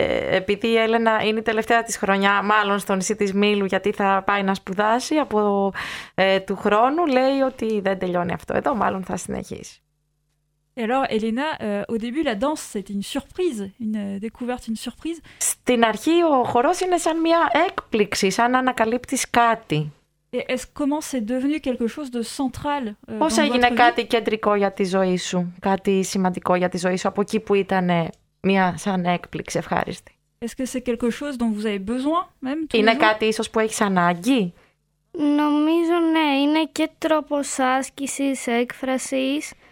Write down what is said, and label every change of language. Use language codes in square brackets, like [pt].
[el] Επειδή η Έλενα είναι η τελευταία της χρονιά μάλλον στο νησί της Μήλου, γιατί θα πάει να σπουδάσει από του χρόνου, λέει ότι δεν τελειώνει αυτό εδώ, μάλλον θα συνεχίσει. [fr] Et alors, Elena, au début, la danse, c'était une surprise, une découverte, une surprise. [el] Στην αρχή, ο χορός είναι σαν μια έκπληξη, σαν να ανακαλύπτεις κάτι. [fr] Et est-ce comment c'est devenu quelque chose de central dans votre vie? [el] Πώς έγινε κάτι κεντρικό για τη ζωή σου, κάτι σημαντικό για τη ζωή σου, από εκεί που ήταν μια σαν έκπληξη, ευχάριστη. [fr] Est-ce que c'est quelque chose dont vous avez besoin, même, tous les jours? [el] Είναι κάτι ίσως που έχεις ανάγκη. Νομίζω, ναι, είναι και τρόπος άσκησης, έκφρασης.